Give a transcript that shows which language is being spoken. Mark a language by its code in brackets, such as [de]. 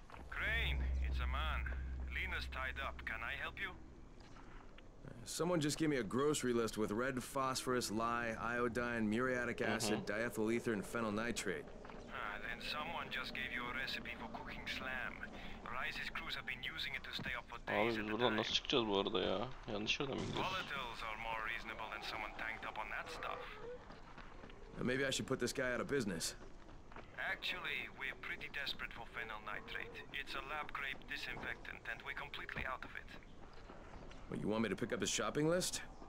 [en] Crane, it's a man. Lena's tied up. Can I help you? Someone just gave me a grocery list with red phosphorus, lye, iodine, muriatic acid, diethyl ether, and phenyl nitrate. Then someone just gave you a recipe for cooking slam. Rice's crews have been using it to stay up for days. [tr] Abi buradan nasıl çıkacağız bu arada ya? Yanlış yerde mi gidiyoruz? [en] Volatiles are more reasonable than someone tanked up on that stuff. Maybe I should put this guy out of business. Actually, we're pretty desperate for phenyl nitrate. It's a lab-grade disinfectant, and we're completely out of it. Well, you want me to pick up his shopping list?